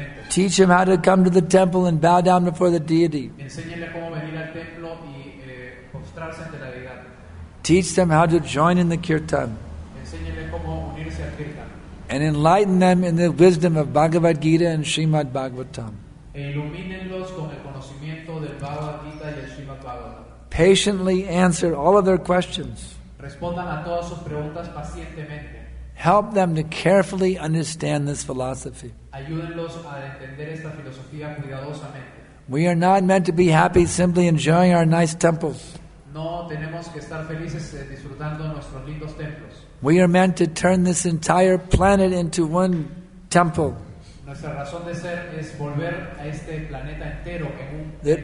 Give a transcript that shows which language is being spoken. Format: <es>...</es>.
<en>Teach him how to come to the temple and bow down before the deity.</en> <es>Enséñale cómo venir al templo y postrarse ante la deidad.</es> <en>Teach them how to join in the kirtan.</en> <es>Enséñale cómo unirse al kirtan.</es> <en>And enlighten them in the wisdom of Bhagavad Gita and Srimad Bhagavatam.</en> <es>E ilumínenlos con el conocimiento del Bhagavad Gita y el Srimad Bhagavatam.</es> <en>Patiently answer all of their questions.</en> <es>Respondan a todas sus preguntas pacientemente.</es> <en>Help them to carefully understand this philosophy.</en> <es>Ayúdenlos a entender esta filosofía cuidadosamente.</es> <en>We are not meant to be happy simply enjoying our nice temples.</en> <es>No tenemos que estar felices disfrutando nuestros lindos templos.</es> <en>We are meant to turn this entire planet into one temple.</en> <es>Nuestra razón de ser es volver a este planeta entero en un templo.</es>